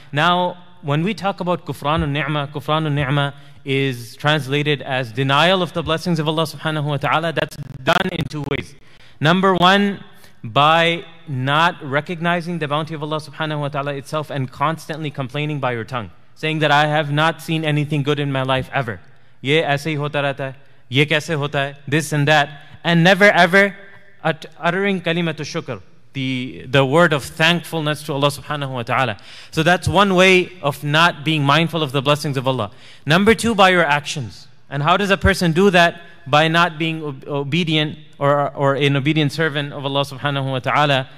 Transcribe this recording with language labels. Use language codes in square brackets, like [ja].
[en] Now, when we talk about kufran al-ni'mah is translated as denial of the blessings of Allah subhanahu wa ta'ala. That's done in two ways. Number one, by not recognizing the bounty of Allah subhanahu wa ta'ala itself and constantly complaining by your tongue, saying that I have not seen anything good in my life ever. [ur] یہ ایسے ہی ہوتا رہتا ہے، یہ کیسے ہوتا ہے، [en] this and that. And never ever uttering kalimatu shukr, the word of thankfulness to Allah subhanahu wa ta'ala. So that's one way of not being mindful of the blessings of Allah. Number two, by your actions. And how does a person do that? By not being obedient or an obedient servant of Allah subhanahu wa ta'ala.